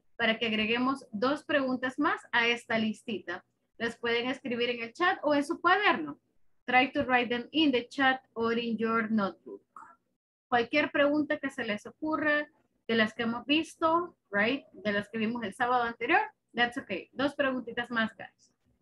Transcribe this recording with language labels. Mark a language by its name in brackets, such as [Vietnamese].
[Spanish] para que agreguemos dos preguntas más a esta listita. Las pueden escribir en el chat o en su cuaderno. [English] Try to write them in the chat or in your notebook. [Spanish] Cualquier pregunta que se les ocurra, de las que hemos visto, [English] right? [Spanish] De las que vimos el sábado anterior, [English] that's okay. [Spanish] Dos preguntitas más, guys.